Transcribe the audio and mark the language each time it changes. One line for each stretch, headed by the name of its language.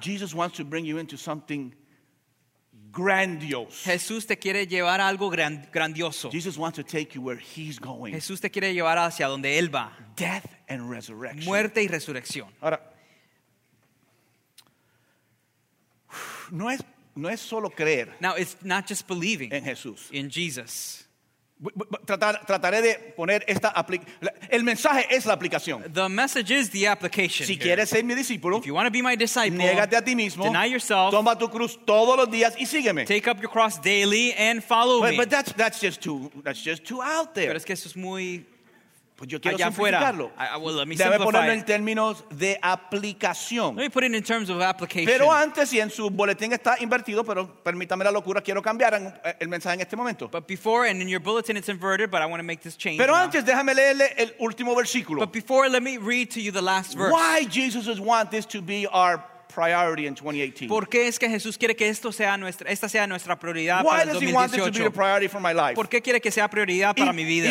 English: Jesus wants to bring you into something grandiose.
Spanish: Jesús te quiere llevar a algo grandioso.
English: Jesus wants to take you where he's going.
Spanish: Jesús te quiere llevar hacia donde él va.
English: Death and resurrection.
Spanish: Muerte y resurrección. Ahora, no es solo creer.
English: Now it's not just believing
Spanish: en Jesús.
English: In Jesus.
Spanish: Trataré de poner esta aplicación. El mensaje es la aplicación.
English: The message is the application.
Spanish: Si here. Quieres ser mi discípulo,
English: if you want to be my disciple,
Spanish: niégate a ti mismo,
English: deny yourself,
Spanish: toma tu cruz todos los días y sígueme.
English: Take up your cross daily and follow but, me. But that's just too out there.
Spanish: Pero es que eso es muy pues yo quiero simplificarlo.
English: Well,
Spanish: debe ponerlo en términos de aplicación.
English: Let me put it in terms of application.
Spanish: Pero antes, y en su boletín está invertido, pero permítame la locura, quiero cambiar el mensaje en este momento.
English: But before, and in your bulletin it's inverted, but I want to make this change.
Spanish: Pero
English: now.
Spanish: Antes, déjame leerle el último versículo.
English: But before, let me read to you the last verse. Why Jesus would want this to be our priority in 2018.
Spanish: ¿Por qué es que Jesús quiere que esto sea esta sea nuestra prioridad para el 2018?
English: Why does he want it to be a priority for my life?
Spanish: ¿Por qué quiere que sea prioridad para mi vida?